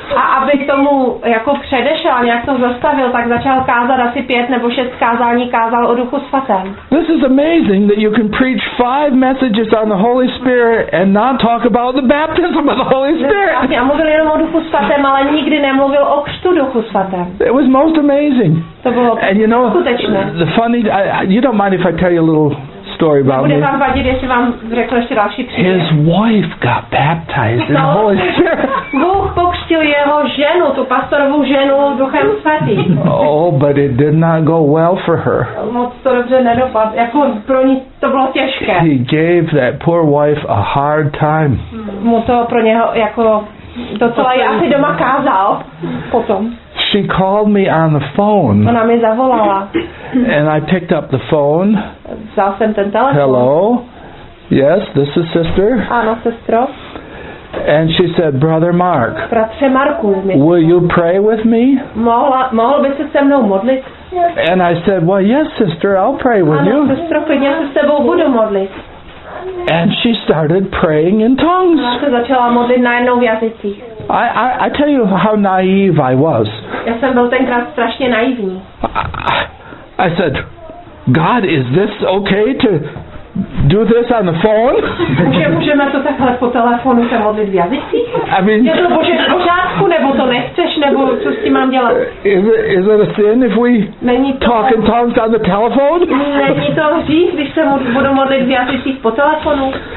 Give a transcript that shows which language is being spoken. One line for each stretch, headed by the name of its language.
Czech: A aby tomu jako předešel a nějak to zastavil, tak začal kázat asi 5 nebo 6 kázání, kázal o Duchu Svatém.
English: This is amazing that you can preach 5 messages on the Holy Spirit and not talk about the baptism of the Holy Spirit.
Czech: Já mluvil jenom o Duchu Svatém, ale nikdy nemluvil o křtu Duchu Svatém.
English: It was most amazing.
Czech: To bylo
English: and you know
Czech: skutečné.
English: The funny you don't mind if I tell you a little story about me. His wife got baptized in the Holy Spirit.
Czech: Bůh pokřtil jeho ženu, tu pastorovou ženu, Duchem svatým.
English: Oh, but it did not go well for her.
Czech: Moc to dobře nedopadlo. Jako pro ní to bylo těžké.
English: He gave that poor wife a hard time.
Czech: Mu to pro něho jako docela asi doma kázal potom.
English: She called me on the phone.
Czech: Ona mě zavolala.
English: And I picked up the phone.
Czech: Vzal jsem ten telefon.
English: Hello. Yes, this is sister.
Czech: Ano, sestro.
English: And she said, Brother Mark,
Czech: bratře Marku,
English: will you pray with me?
Czech: Mohl by se se mnou modlit?
English: And I said, well, yes, sister, I'll pray with
Czech: ano,
English: you.
Czech: Ano, sestro, klidně se s tebou budu modlit.
English: And she started praying in tongues.
Czech: Ona se začala modlit najednou v jazycích.
English: I tell you how naive I was.
Czech: Já jsem byl tenkrát strašně naivní.
English: I said, God, is this okay to do this on the phone?
Czech: Můžeme to takhle po telefonu se modlit v jazycích?
English: I mean,
Czech: je to bože v pořádku, nebo to nechceš, nebo co s tím mám dělat?
English: Is it a sin if we talk in tongues on the telephone?
Czech: Není to hřích, když se budu modlit v jazycích po telefonu?